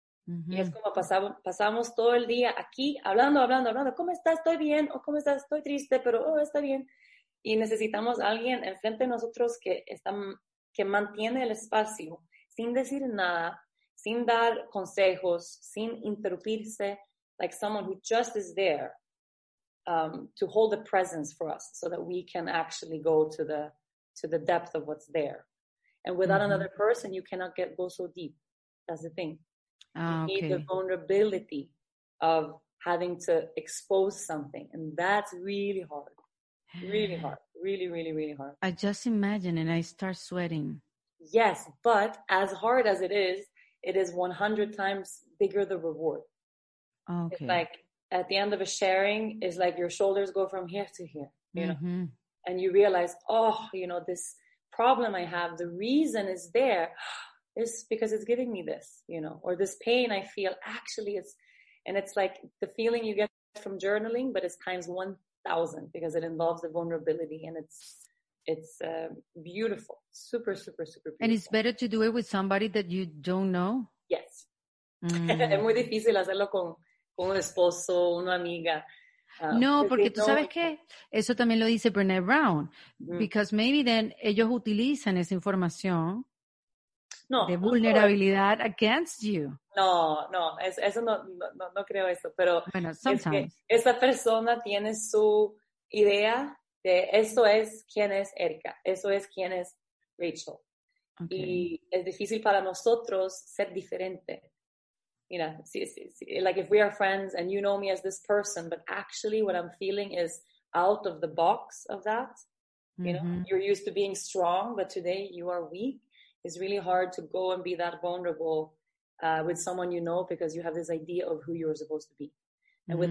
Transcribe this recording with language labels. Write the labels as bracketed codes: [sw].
[es] Uh-huh. Y es como pasamos todo el día aquí hablando, ¿cómo estás? ¿Estoy bien? ¿O cómo estás? Estoy triste, pero está bien. Y necesitamos alguien enfrente de nosotros que mantiene el espacio sin decir nada, sin dar consejos, sin interrumpirse. [en] Like someone who just is there to hold the presence for us so that we can actually go to the depth of what's there. And without mm-hmm. another person, you cannot go so deep. That's the thing. You need the vulnerability of having to expose something. And that's really hard. Really hard. Really, really, really hard. I just imagine and I start sweating. Yes, but as hard as it is 100 times bigger the reward. Okay. It's like at the end of a sharing, it's like your shoulders go from here to here, you know, mm-hmm. and you realize, oh, you know, this problem I have, the reason is there is because it's giving me this, you know, or this pain I feel actually is, and it's like the feeling you get from journaling, but it's times 1,000 because it involves the vulnerability and it's beautiful, super, super, super beautiful. And it's better to do it with somebody that you don't know? Yes. Mm. [es] Es muy difícil hacerlo con un esposo, una amiga. No, porque tú sabes que eso también lo dice Brené Brown. Mm. [en] Because maybe then [es] ellos utilizan esa información de vulnerabilidad [en] against you. [es] No, creo eso. Pero bueno, [en] sometimes. [es] Es que esa persona tiene su idea de eso es quién es Erica, eso es quién es Rachel. Okay. Y es difícil para nosotros ser diferente. [en] You know, like if we are friends and you know me as this person, but actually what I'm feeling is out of the box of that, mm-hmm. you know, you're used to being strong, but today you are weak. It's really hard to go and be that vulnerable with someone you know because you have this idea of who you're supposed to be. And mm-hmm.